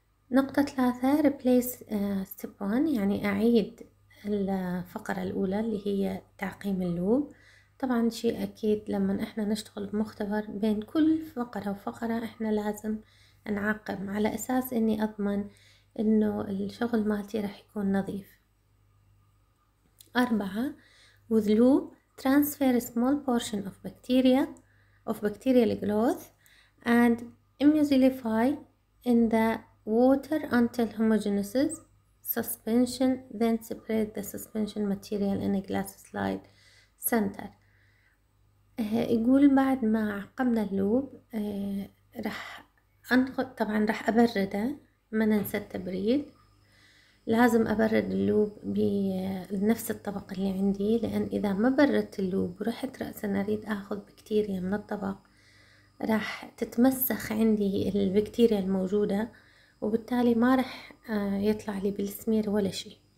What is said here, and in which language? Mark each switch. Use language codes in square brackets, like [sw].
[ar] نقطة ثلاثة، [en] replace step one, [ar] يعني اعيد الفقرة الاولى اللي هي تعقيم اللوب. طبعا شيء اكيد لما احنا نشتغل بمختبر بين كل فقرة وفقرة احنا لازم نعقم، على اساس اني اضمن انه الشغل مالتي راح يكون نظيف. اربعة، [en] with loop transfer small portion of bacterial growth and emulsify in the water until homogenizes suspension, then spread the suspension material in a glass slide center. [ar] يقول بعد ما عقمنا اللوب راح انقل، طبعا راح ابرده، ما ننسى التبريد، لازم أبرد اللوب بنفس الطبق اللي عندي، لأن إذا ما بردت اللوب ورحت رأسا أريد أخذ بكتيريا من الطبق راح تتمسخ عندي البكتيريا الموجودة، وبالتالي ما راح يطلع لي بالسمير ولا شيء.